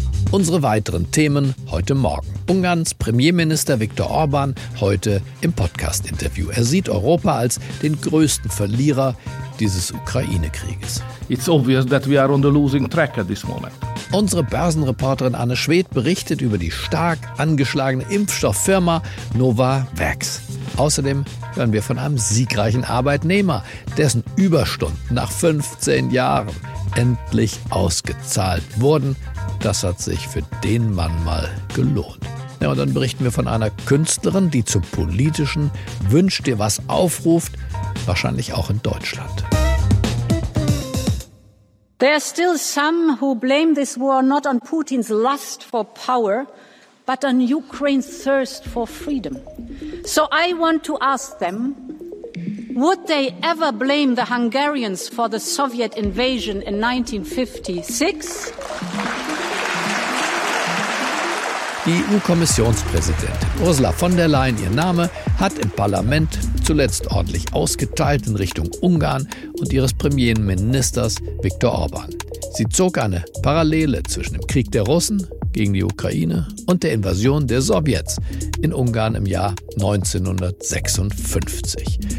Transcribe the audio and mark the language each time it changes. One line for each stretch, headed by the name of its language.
German: Unsere weiteren Themen heute Morgen. Ungarns Premierminister Viktor Orban heute im Podcast-Interview. Er sieht Europa als den größten Verlierer dieses Ukraine-Krieges.
English: It's obvious that we are on the losing track at this moment.
German: Unsere Börsenreporterin Anne Schwedt berichtet über die stark angeschlagene Impfstofffirma Novavax. Außerdem hören wir von einem siegreichen Arbeitnehmer, dessen Überstunden nach 15 Jahren endlich ausgezahlt wurden Das hat sich für den Mann mal gelohnt. Ja, und dann berichten wir von einer Künstlerin, die zum politischen Wünsch dir was aufruft, wahrscheinlich auch in Deutschland.
English: There are still some who blame this war not on Putin's lust for power, but on Ukraine's thirst for freedom. So I want to ask them, would they ever blame the Hungarians for the Soviet invasion in 1956?
German: Die EU-Kommissionspräsidentin Ursula von der Leyen, ihr Name, hat im Parlament zuletzt ordentlich ausgeteilt in Richtung Ungarn und ihres Premierministers Viktor Orban. Sie zog eine Parallele zwischen dem Krieg der Russen gegen die Ukraine und der Invasion der Sowjets in Ungarn im Jahr 1956.